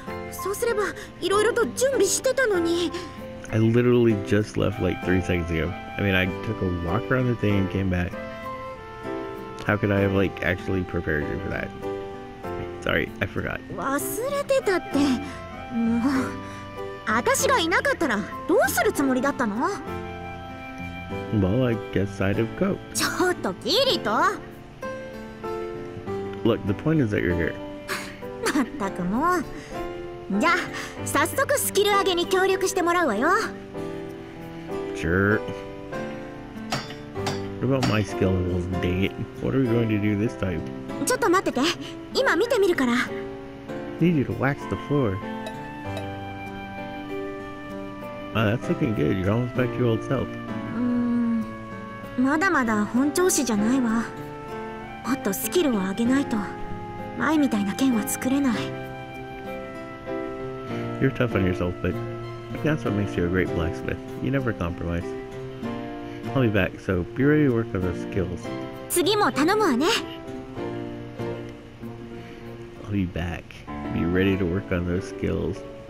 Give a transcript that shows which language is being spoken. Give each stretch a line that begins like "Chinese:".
Japanese: そうすればいろいろと準備してたのに。
English: I literally just left like 3 seconds ago. I mean, I took a walk around the thing and came back. How could I have, like, actually prepared you for that? Sorry, I forgot.
Japanese: 忘れてたって。もう、私がいなかったらどうするつもりだったの?
English: Well, I guess I'd have coped.
Japanese: ちょっと、キリト!
English: Look, the point is that you're here.
Japanese: まったくもう。じゃあ、早速スキル上げに協力してもらうわよ。
English: Sure. What about my skill level? Dang it. What are we going to do this time?
Japanese: ちょっと待ってて。今見てみるから。
English: Need you to wax the floor. Oh, that's looking good. You're almost back to your old self.
Japanese: まだまだ本調子じゃないわ。もっとスキルを上げないと、前みたいな剣は作れない。
English: You're tough on yourself, but that's what makes you a great blacksmith. You never compromise. I'll be back, so be ready to work on those skills.
Japanese: 次も頼むわね。
English: I'll be back. Be ready to work on those skills.